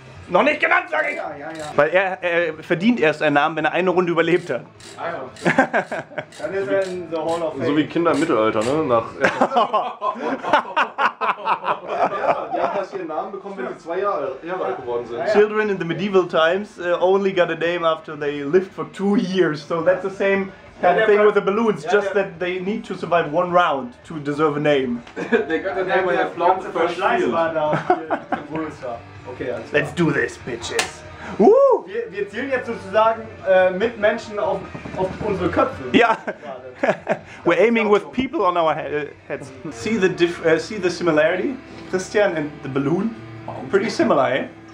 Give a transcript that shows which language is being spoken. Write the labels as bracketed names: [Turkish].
[German] Noch nicht genannt, sag ich! Ja, ja, ja. Weil er verdient erst einen Namen, wenn er eine Runde überlebt hat. Ah ja. Dann ist er [English] in the Hall of Fame. [German] So wie Kinder im Mittelalter, ne? Nach. Ja, die haben erst ihren Namen bekommen, wenn sie 2 Jahre alt geworden sind. [English] Children in the medieval times only got a name after they lived for 2 years. So that's the same kind of thing with the balloons, just that they need to survive one round to deserve a name. They got a name when they flopped the first field. [German] Okay, also [English] let's do this, bitches. [German] Wir zählen jetzt sozusagen mit Menschen auf unsere Köpfe. [English] Ja. Yeah. We're aiming with people on our heads. See the similarity, Christian and the balloon. Pretty similar, eh?